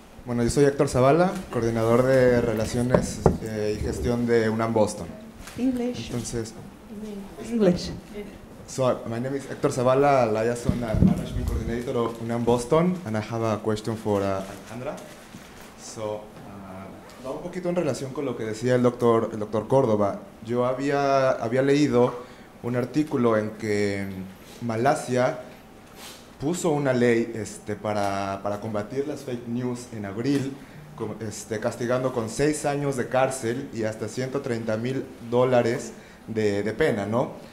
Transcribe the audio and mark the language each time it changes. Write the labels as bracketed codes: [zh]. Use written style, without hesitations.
[es] Bueno, yo soy Héctor Zavala, coordinador de relaciones y gestión de UNAM Boston. [en] English. [es] Entonces... [en] English. So my name is Héctor Zavala, liaison and management coordinator of UNAM Boston, and I have a question for Alejandra. [es] So, va un poquito en relación con lo que decía el doctor Córdoba. Yo había leído un artículo en que Malasia puso una ley para combatir las fake news en abril, castigando con 6 años de cárcel y hasta $130,000 de pena, ¿no?